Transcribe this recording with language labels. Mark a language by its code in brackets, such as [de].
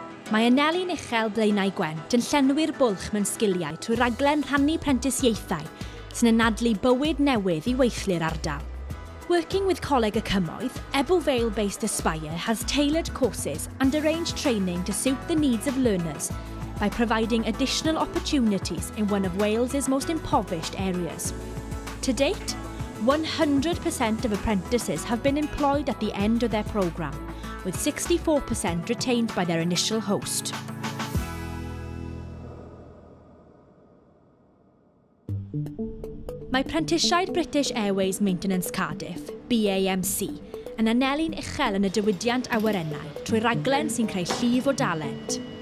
[cy] Mae Anelu'n uchel blaenau gwent yn llenwi'r bwlch mewn sgiliau trwy raglen rhannu prentisiaethau sy'n anadlu bywyd newydd i weithlu'r ardal. [en] Working with Coleg y Cymoedd, Ebo Vale-based Aspire has tailored courses and arranged training to suit the needs of learners by providing additional opportunities in one of Wales's most impoverished areas. To date, 100% of apprentices have been employed at the end of their programme, with 64% retained by their initial host. [cy] Mae Prentisiaid British Airways Maintenance Cardiff, BAMC, yn anelu'n uchel yn y diwydiant awyrennau trwy raglen sy'n creu llif o dalent.